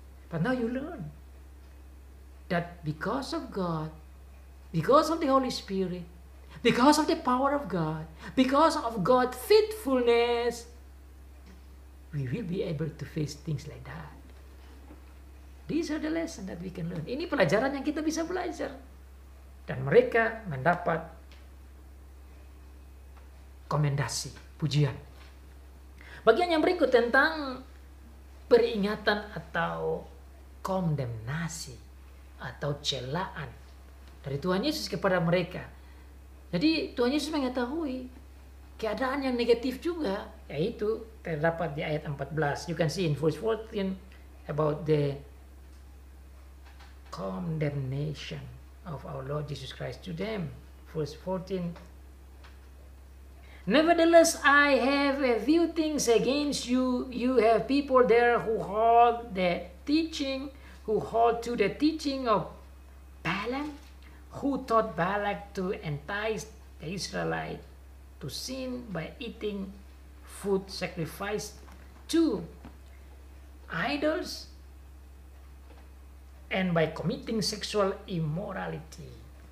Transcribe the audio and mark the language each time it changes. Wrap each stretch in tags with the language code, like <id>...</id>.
<en>But now you learn that because of God, because of the Holy Spirit, because of the power of God, because of God's faithfulness, we will be able to face things like that. These are the lessons that we can learn.</en> <id>Ini pelajaran yang kita bisa belajar. Dan mereka mendapat komendasi, pujian. Bagian yang berikut tentang peringatan atau kondemnasi atau celaan dari Tuhan Yesus kepada mereka. Jadi Tuhan Yesus mengetahui keadaan yang negatif juga, yaitu terdapat di ayat 14.</id> <en>You can see in verse 14 about the condemnation of our Lord Jesus Christ to them. Verse 14. Nevertheless, I have a few things against you. You have people there who hold to the teaching of Balaam, who taught Balak to entice the Israelites to sin by eating food sacrificed to idols and by committing sexual immorality.</en>